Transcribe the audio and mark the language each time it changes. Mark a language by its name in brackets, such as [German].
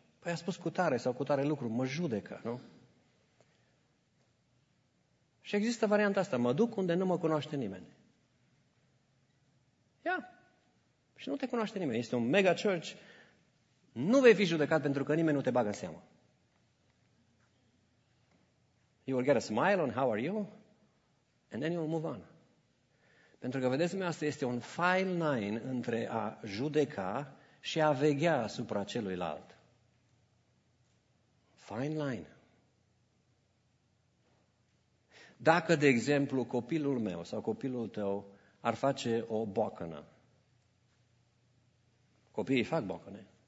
[Romanian] Păi a spus cu tare sau cu tare lucru. Mă judecă, nu? Și există varianta asta. Mă duc unde nu mă cunoaște nimeni. Ia. Și nu te cunoaște nimeni. Este un mega church. Nu vei fi judecat pentru că nimeni nu te bagă în seamă. [English] You will get a smile on how are you and then you will move on. [Romanian] Pentru că, vedeți, asta este un [English] fine line [Romanian] între a judeca și a veghea asupra celuilalt. [English] Fine line. [Romanian] Dacă, de exemplu, copilul meu sau copilul tău ar face o boacănă, copiii fac boacăne.